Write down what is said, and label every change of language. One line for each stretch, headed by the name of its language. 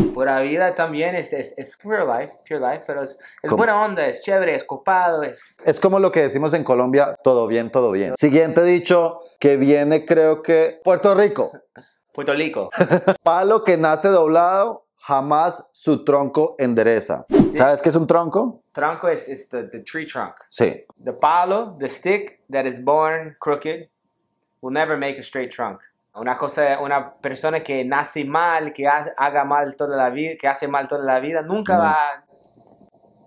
Spanish: Pura vida también es pure life, pero es buena onda, es chévere, es copado. Es como lo que decimos en Colombia, todo bien, todo bien. Siguiente dicho que viene, creo que Puerto Rico. Puerto Rico. Palo que nace doblado, jamás su tronco endereza. Sí. ¿Sabes qué es un tronco? Tronco es
English: the tree trunk.
Spanish: Sí.
English: The palo, the stick that is born crooked, will never make a straight trunk.
Spanish: Una persona que nace mal, que haga mal toda la vida, que hace mal toda la vida, nunca va.